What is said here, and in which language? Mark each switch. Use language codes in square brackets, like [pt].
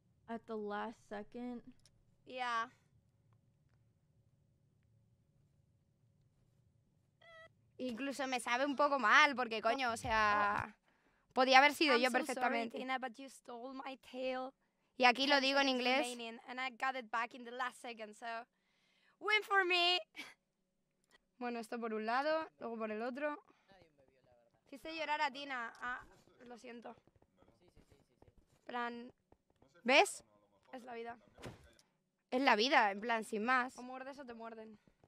[en] At the last second. Yeah. [es] Incluso me sabe un poco mal, porque coño, o sea, podía haber sido [en] I'm [es] yo [en] so [es] perfectamente. [en] Sorry, Tina, but you stole my tail. [es] Y aquí lo digo en inglés. [en] And I got it back in the last second, so win for me. [es] Bueno, esto por un lado, luego por el otro. Hiciste llorar a Tina. Ah, lo siento. Plan. ¿Ves? Es la vida. Es la vida, en plan, sin más. O muerdes o te muerden.